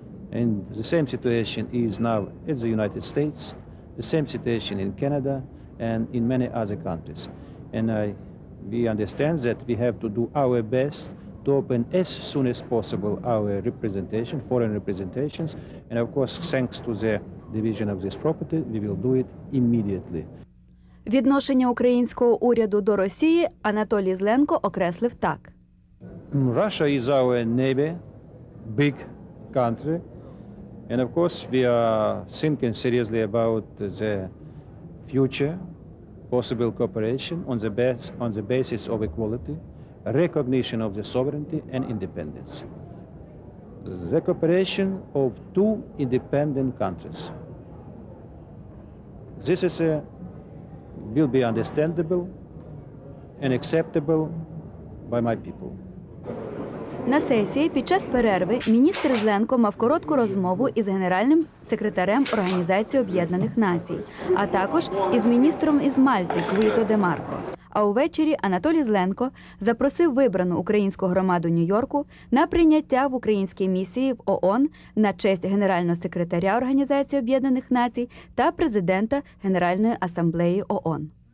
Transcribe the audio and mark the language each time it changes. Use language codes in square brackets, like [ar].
[en] And the same situation is now in the United States, the same situation in Canada and in many other countries. And we understand that we have to do our best to open as soon as possible our representation, foreign representations, and of course, thanks to the division of this property, we will do it immediately. [uk] Відношення українського уряду до Росії Анатолій Зеленко окреслив так. [en] Russia is our neighbor, big country, and of course, we are thinking seriously about the future possible cooperation on the basis of equality, recognition of the sovereignty and independence. The cooperation of two independent countries. This is will be understandable and acceptable by my people. [uk] На сесії під час перерви міністр Зеленко мав коротку розмову із генеральним секретарем Організації Об'єднаних Націй, а також із міністром із Мальти Квіто де Марко. А увечері Анатолій Зеленко запросив вибрану українську громаду Нью-Йорку на прийняття в українській місії в ООН на честь генерального секретаря Організації Об'єднаних Націй та президента Генеральної асамблеї ООН.